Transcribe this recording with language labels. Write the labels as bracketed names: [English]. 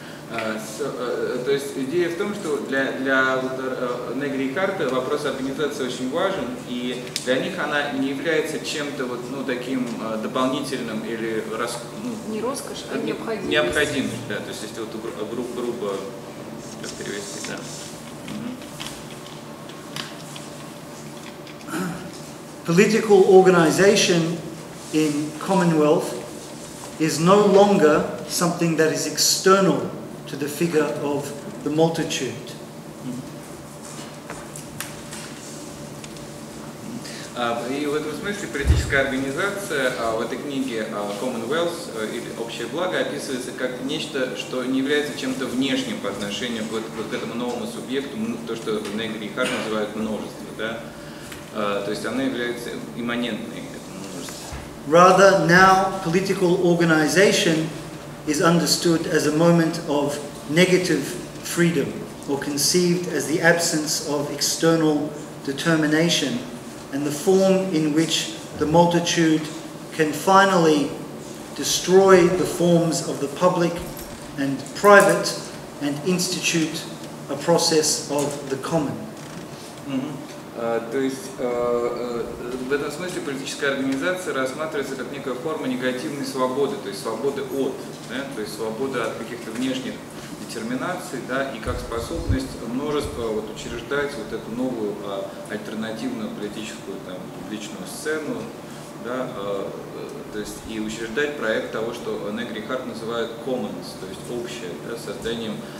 [Russian] То есть идея в том, что для Негри и Харта вопрос организации очень важен, и для них она не является чем-то таким дополнительным или не роскошь, а необходимость. Необходимость, да. То есть если грубо перевести, да. [English] Political organization in Commonwealth is no longer something that is external to the figure of the multitude. [Russian] И в этом смысле политическая организация в этой книге Commonwealth или общее благо описывается как нечто, что не является чем-то внешним по отношению к этому новому субъекту, то, что Негри и Харт называют множество, да? То есть она является имманентной этому множеству. [English] Rather, now political organization is understood as a moment of negative freedom, or conceived as the absence of external determination, and the form in which the multitude can finally destroy the forms of the public and private and institute a process of the common. [Russian] То есть в этом смысле политическая организация рассматривается как некая форма негативной свободы, то есть свободы от, да, то есть свобода от каких-то внешних детерминаций, да, и как способность множества учреждать эту новую альтернативную политическую публичную сцену, да, то есть и учреждать проект того, что Негри и Харт называют commons, то есть общее, да, созданием.